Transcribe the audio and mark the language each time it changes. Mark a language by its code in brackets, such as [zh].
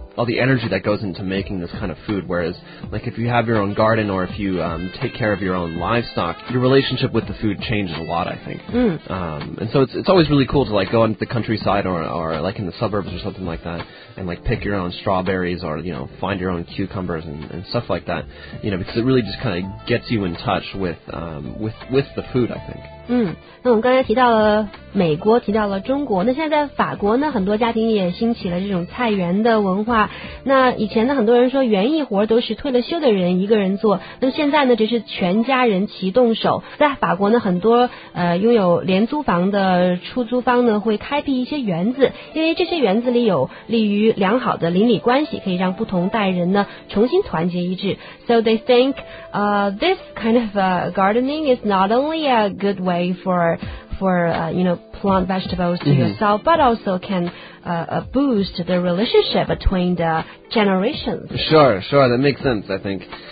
[en] all the energy that goes into making this kind of food. Whereas, like, if you have your own garden or if you take care of your own livestock, your relationship with the food changes a lot, I think. Mm. And so it's always really cool to, like, go into the countryside or like, in the suburbs or something like that and, like, pick your own strawberries or, you know, find your own cucumbers and stuff like that, you know, because it really just kind of gets you in touch with the food, I think. [zh] 嗯，那我们刚才提到了美国，提到了中国，那现在在法国呢，很多家庭也兴起了这种菜园的文化。那以前呢，很多人说园艺活都是退了休的人一个人做，那现在呢，这是全家人齐动手。在法国呢，很多拥有廉租房的出租方呢，会开辟一些园子，因为这些园子里有利于良好的邻里关系，可以让不同代人呢重新团结一致。 [en] So they think, this kind of gardening is not only a good way for plant vegetables to yourself, mm-hmm. but also can boost the relationship between the generations. Sure, that makes sense, I think.